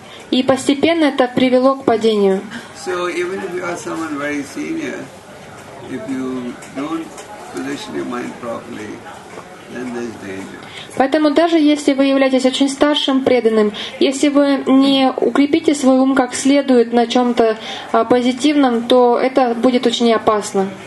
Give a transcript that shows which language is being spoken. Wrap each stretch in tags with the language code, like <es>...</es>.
<ru>И постепенно это привело к падению.</ru> <en>So even if you are someone very senior, if you don't position your mind properly, then there's danger.</en> <ru>Поэтому даже если вы являетесь очень старшим преданным, если вы не укрепите свой ум как следует на чем-то позитивном, то это будет очень опасно.</ru>